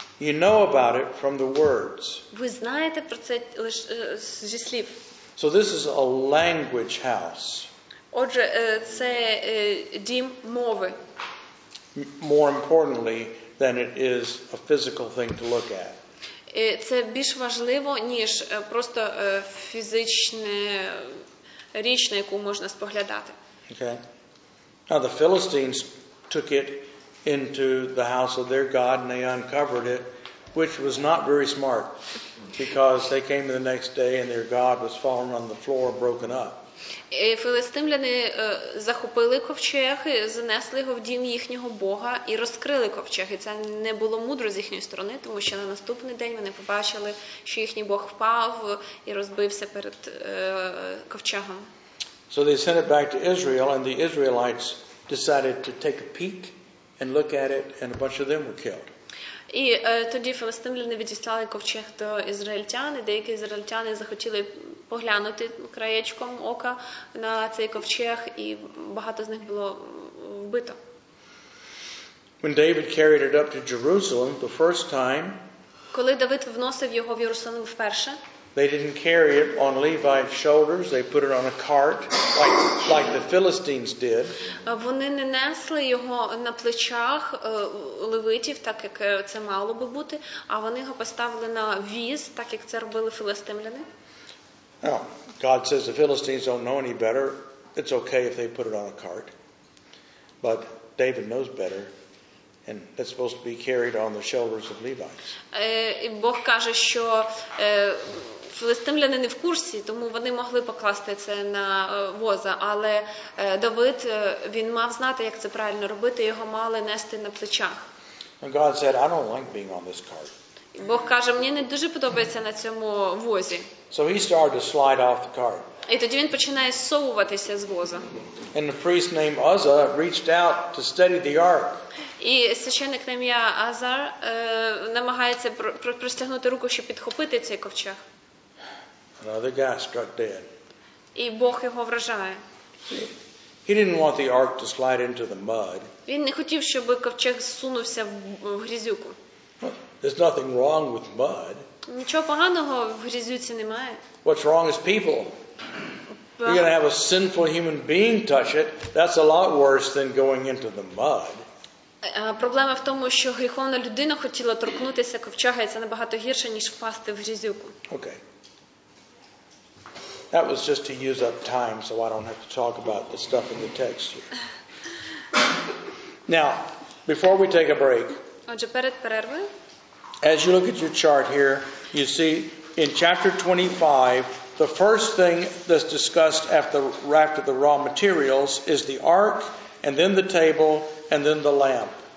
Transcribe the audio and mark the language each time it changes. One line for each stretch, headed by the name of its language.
English: You know about it from the words.
Ukrainian: Ви знаєте про це лише зі слів.
English: So this is a language house.
Ukrainian: Отже, це дім мови.
English: More importantly than it is a physical thing to look at.
Ukrainian: Це більш важливо, ніж просто фізичне річ, на яку можна споглядати.
English: Okay. Now the Philistines took it into the house of their god and they uncovered it, which was not very smart because they came the next day and their god was fallen on the floor broken up.
Ukrainian: І філістимляни захопили ковчег, занесли його в дім їхнього бога і розкрили ковчег. І це не було мудро з їхньої сторони, тому що на наступний день вони побачили, що їхній бог впав і розбився перед ковчегом.
English: So they sent it back to Israel, and the Israelites decided to take a peek and look at it, and a bunch of them were killed.
Ukrainian: І тоді філістимляни відіслали ковчег до ізраїльтян, і деякі ізраїльтяни захотіли поглянути краєчком ока на цей ковчег, і багато з них було вбито.
English: When David carried it up to Jerusalem the first time,
Ukrainian: коли Давид вносив його в Єрусалим вперше,
English: they didn't carry it on Levi's shoulders, they put it on a cart like the Philistines did.
Ukrainian: Вони не несли його на плечах левитів, так як це мало би бути, а вони його поставили на віз, так як це робили філістимляни.
English: Now, God says the Philistines don't know any better. It's okay if they put it on a cart. But David knows better. And that's supposed to be carried on the shoulders of Levites.
Ukrainian: І Бог каже, що філістимляни не в курсі, тому вони могли покласти це на воза. Але Давид, він мав знати, як це правильно робити, його мали нести на плечах.
English: And God said, I don't like being on this cart.
Ukrainian: Бог каже, мені не дуже подобається на цьому возі.
English: So he started to slide off the cart.
Ukrainian: І тоді він починає зсовуватися з воза.
English: And the priest named Uzza reached out to steady the ark.
Ukrainian: І священник на ім'я Азар намагається простягнути руку, щоб підхопити цей ковчег.
English: Another guy struck dead.
Ukrainian: І Бог його вражає.
English: He didn't want the ark to slide into the mud.
Ukrainian: Він не хотів, щоб ковчег зсунувся в грязюку.
English: There's nothing wrong with mud.
Ukrainian: Нічого поганого в грязюці немає.
English: What's wrong is people. You're going to have a sinful human being touch it. That's a lot worse than going into the mud.
Ukrainian: Проблема в тому, що гріховна людина хотіла торкнутися ковчега, і це набагато гірше, ніж впасти в грязюку.
English: Okay. That was just to use up time, so I don't have to talk about the stuff in the text here. Now, before we take a break,
Ukrainian: отже, перед перервою,
English: as you look at your chart here, you see in chapter 25, the first thing that's discussed after raft of the raw materials is the ark, and then the table, and then the lamp.